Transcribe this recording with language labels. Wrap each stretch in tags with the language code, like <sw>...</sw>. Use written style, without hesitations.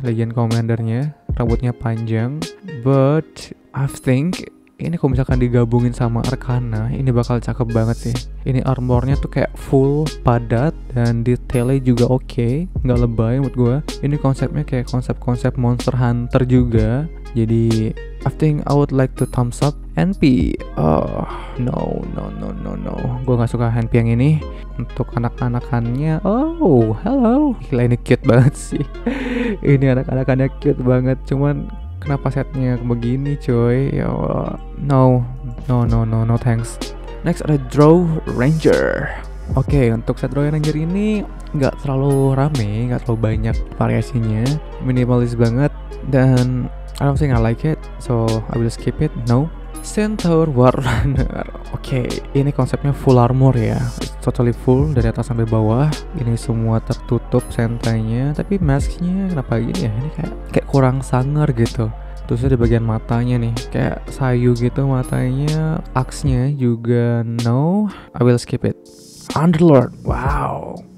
<id>Legion Commandernya, rambutnya panjang,</id> <en>but I think</en> <id>ini kalau misalkan digabungin sama Arcana, ini bakal cakep banget sih. Ini armornya tuh kayak full, padat, dan detailnya juga oke, okay. Nggak lebay menurut gue. Ini konsepnya kayak konsep-konsep Monster Hunter juga.</id> <en>Jadi, I think I would like to thumbs up NP. Oh, no.</en> <id>Gue nggak suka NP yang ini. Untuk anak-anakannya,</id> <en>oh, hello.</en> <id>Gila, ini cute banget sih. Ini anak-anakannya cute banget, cuman kenapa setnya begini coy? Ya Allah.</id> <en>No, thanks. Next ada Draw Ranger.</en> <id>Oke, okay, untuk set Draw Ranger ini gak terlalu rame, gak terlalu banyak variasinya. Minimalis banget.</id> <en>Dan I don't think I like it, so I will skip it, no.</en> <id>Centaur Warrunner. Oke, okay, ini konsepnya full armor ya.</id> <en>It's totally full</en> <id>dari atas sampai bawah. Ini semua tertutup sentanya, tapi masknya kenapa gini ya? Ini kayak kurang sangar gitu. Terusnya di bagian matanya nih, kayak sayu gitu matanya.</id> <en>Axe-nya juga no. I will skip it. Underlord. Wow.</en>